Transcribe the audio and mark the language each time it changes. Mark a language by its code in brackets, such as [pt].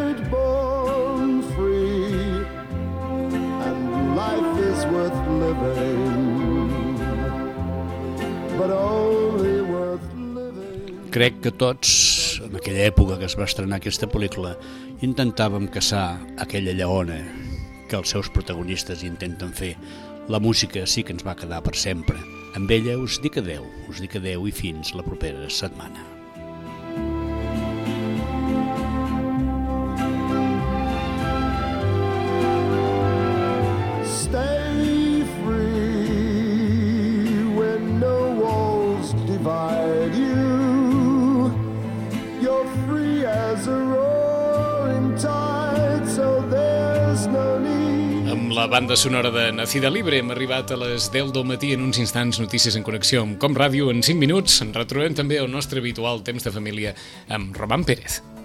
[en] Born free, and life is worth living, but only worth living. [ca] Crec que tots, en aquella època que es va estrenar aquesta pel·lícula, intentàvem caçar aquella lleona que els seus protagonistes intenten fer. La música sí que ens va quedar per sempre. Amb ella us dic adeu i fins la propera setmana. [en] Stay free when no walls divide you. You're free as a roaring tide, so there's no need. [ca] La banda sonora de Nacida Libre. Hem arribat a les 10 del matí, en uns instants notícies en connexió amb Com Ràdio. En 5 minuts ens retrobem també al nostre habitual temps de família amb Román Pérez.